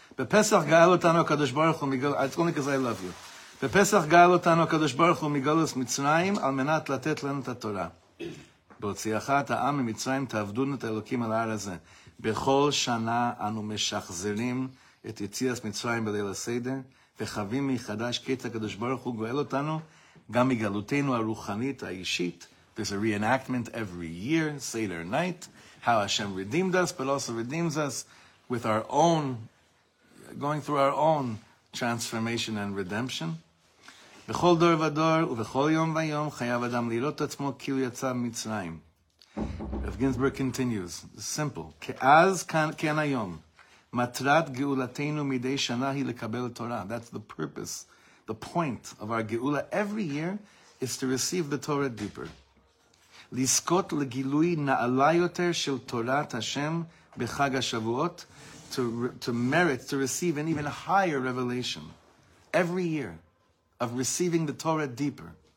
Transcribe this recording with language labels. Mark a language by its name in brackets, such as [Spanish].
[Hebrew] בפסח גאל אותנו הקדוש ברוך הוא מגל... [English] It's only because I love you. [Hebrew] בפסח גאל אותנו הקדוש ברוך הוא מגלוס מצרים על מנת לתת לנו את התורה. בהוציאך את העם ממצרים תעבדו את האלוקים על הער הזה. בכל שנה אנו משחזרים את יציאת מצרים בליל הסדר וחווים מחדש קטע הקדוש ברוך הוא גואל אותנו גם מגלותינו הרוחנית האישית. [English] There's a reenactment every year, Seder night, how Hashem redeemed us but also redeems us with our own... going through our own transformation and redemption. [Hebrew] בכל דור ודור ובכל יום ויום חייב אדם לראות את עצמו כאילו יצא מצרים. רב גינסברג [English] continues, simple. [Hebrew] כאז כאן היום, מטרת גאולתנו מדי שנה היא לקבל תורה. [English] That's the purpose, the point of our גאולה. Every year is to receive the Torah deeper. [Hebrew] לזכות לגילוי נעלה יותר של תורת השם בחג השבועות, [English] to merit, to receive an even higher revelation every year of receiving the Torah deeper.